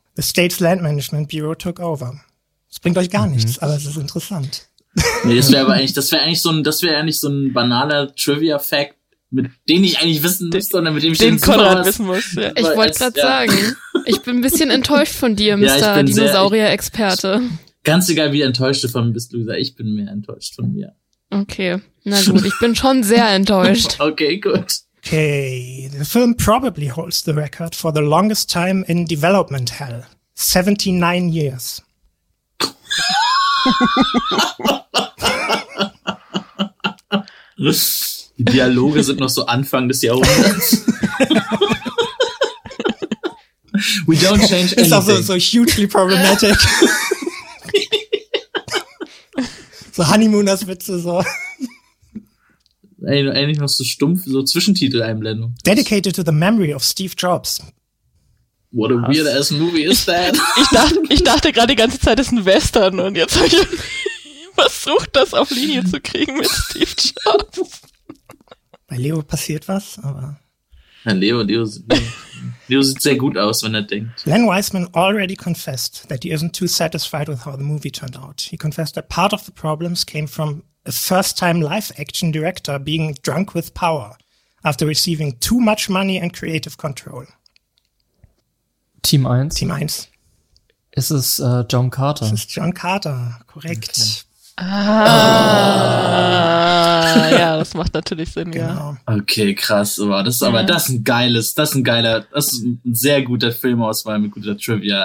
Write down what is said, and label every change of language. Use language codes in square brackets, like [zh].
[en] The state's land management bureau took over. [de] Das bringt euch gar nichts, aber es ist interessant. Nee, das wäre aber eigentlich, das wäre eigentlich so ein banaler Trivia-Fact, mit dem ich eigentlich wissen muss, sondern mit dem ich den Konrad wissen muss. Ja. Ich wollte gerade sagen, ich bin ein bisschen enttäuscht von dir, Mr. Ja, Dinosaurier-Experte. Ganz egal, wie enttäuscht du von mir bist, Luisa, ich bin mehr enttäuscht von mir. Okay, na gut, ich bin schon sehr enttäuscht. Okay, gut. [en] Okay, the film probably holds the record for the longest time in development hell. 79 years. [de] Die Dialoge sind noch so Anfang des Jahrhunderts. [en] We don't change anything. It's also so hugely problematic. [de] So Honeymooners-Witze, so. Eigentlich noch so stumpf, so Zwischentitel-Einblendung. [en] Dedicated to the memory of Steve Jobs. What a weird ass movie is that? [de] Ich dachte gerade die ganze Zeit, es ist ein Western und jetzt habe ich versucht, das auf Linie zu kriegen mit Steve Jobs. Bei Leo passiert was, aber. Ja, Leo sieht sehr gut aus, wenn er denkt. [en] Len Wiseman already confessed that he isn't too satisfied with how the movie turned out. He confessed that part of the problems came from a first-time live-action director being drunk with power after receiving too much money and creative control. [de] Team 1? Team 1. Es ist John Carter. Es ist John Carter, korrekt. Okay. Ah, ja, das macht natürlich Sinn, genau. Ja. Okay, krass. Wow, das ist aber, das ist ein sehr guter Filmauswahl mit guter Trivia.